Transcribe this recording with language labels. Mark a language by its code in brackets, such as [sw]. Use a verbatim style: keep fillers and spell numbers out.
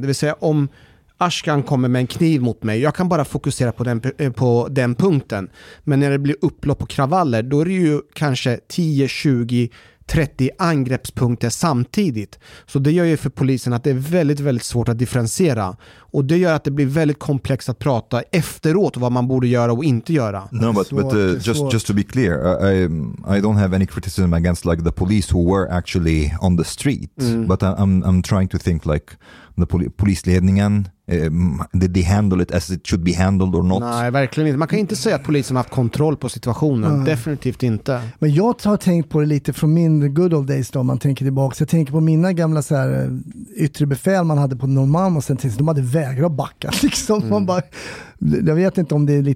[sv] Det vill säga om Ashkan kommer med en kniv mot mig, jag kan bara fokusera på den, på den punkten. Men när det blir upplopp och kravaller, då är det ju kanske tio, tjugo, trettio angreppspunkter samtidigt. Så det gör ju för polisen att det är väldigt, väldigt svårt att differentiera. Och det gör att det blir väldigt komplext att prata efteråt vad man borde göra och inte göra. [en] No, but, but uh, just, just to be clear, I, I don't have any criticism against like the police who were actually on the street. Mm. But I'm, I'm trying to think like the poli- polisledningen, um, did they handle it as it should be handled or not? [sv] Nej, verkligen inte. Man kan inte säga att polisen har haft kontroll på situationen. Mm. Definitivt inte. Men jag har tänkt på det lite från min [en] good old days [sv] då, om man tänker tillbaka. Så jag tänker på mina gamla så här, yttre befäl man hade på Norrmalm och sen tänkte de hade vägrat backa. Liksom. Mm. Man bara, jag vet inte om det är lite